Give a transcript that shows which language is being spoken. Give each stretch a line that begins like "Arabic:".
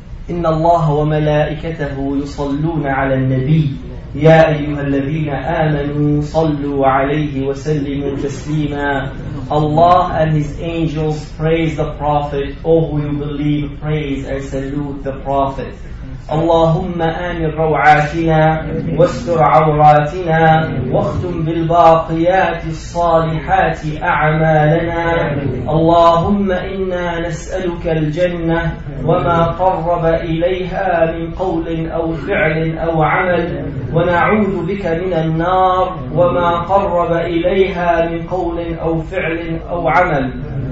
Arabic: إن الله وملائكته يصلون على النبي يا أيها الذين آمنوا صلوا عليه وسلموا تسليما.
English: Allah and His angels praise the Prophet. O who you believe, praise and salute the Prophet.
Arabic: اللهم آمن روعاتنا واستر عوراتنا واختم بالباقيات الصالحات أعمالنا. اللهم إنا نسألك الجنة وما قرب إليها من قول أو فعل أو عمل ونعوذ بك من النار وما قرب إليها من قول أو فعل أو عمل.